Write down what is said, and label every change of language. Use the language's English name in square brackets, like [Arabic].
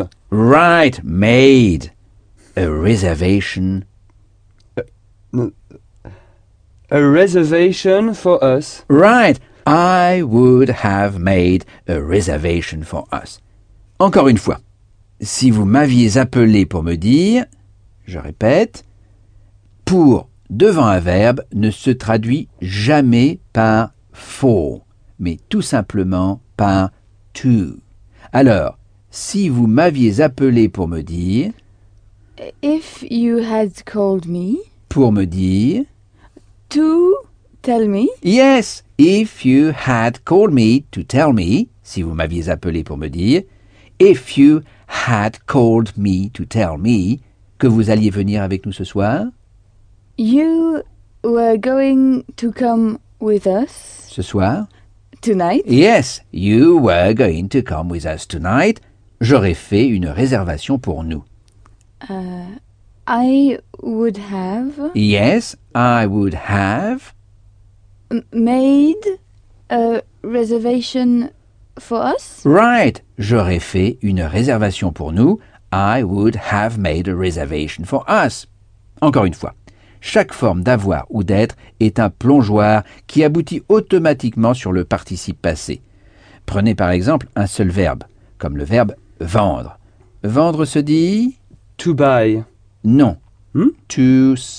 [English] Right, made a reservation. A reservation for us. Right, I would have made a reservation for us. [French] Encore une fois, si vous m'aviez appelé pour me dire. Je répète, pour devant un verbe ne se traduit jamais par for, mais tout simplement par to. Alors, si vous m'aviez appelé pour me dire... [English] If you had called me... [French] Pour me dire... [English] To tell me... Yes, if you had called me to tell me, [French] si vous m'aviez appelé pour me dire... [English] If you had called me to tell me... [French] Que vous alliez venir avec nous ce soir? [English] You were going to come with us. [French] Ce soir? [English] Tonight? Yes, you were going to come with us tonight. [French] J'aurais fait une réservation pour nous. [English] I would have... Yes, I would have... Made a reservation for us? [French] Right, j'aurais fait une réservation pour nous... [English] I would have made a reservation for us. [French] Encore une fois, chaque forme d'avoir ou d'être est un plongeoir qui aboutit automatiquement sur le participe passé. Prenez par exemple un seul verbe, comme le verbe vendre. Vendre se dit... [English] To buy. [French] Non. Hmm? To...